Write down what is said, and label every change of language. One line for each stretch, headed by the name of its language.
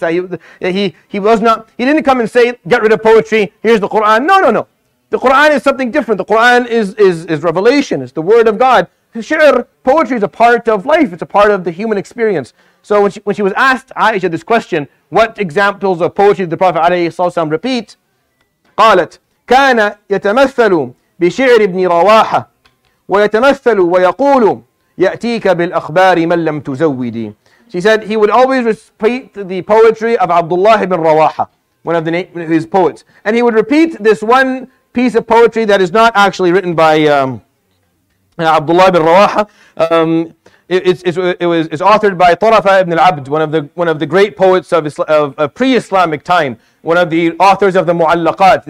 English: He didn't come and say, get rid of poetry, here's the Quran. No. The Quran is something different. The Quran is revelation. It's the word of God. Shir, poetry, is a part of life. It's a part of the human experience. So when she was asked, Aisha, this question, what examples of poetry did the Prophet ﷺ repeat?
Arabic: قالت كان يتمثل بشعر ابن رواحة ويتمثل ويقول يأتيك بالأخبار من لم تزودي.
English: She said he would always repeat the poetry of Abdullah ibn Rawaha, one of his poets, and he would repeat this one piece of poetry that is not actually written by Abdullah ibn Rawaha. It's authored by Tarafa ibn al-Abd, one of the great poets of pre-Islamic time, one of the authors of the Mu'allaqat.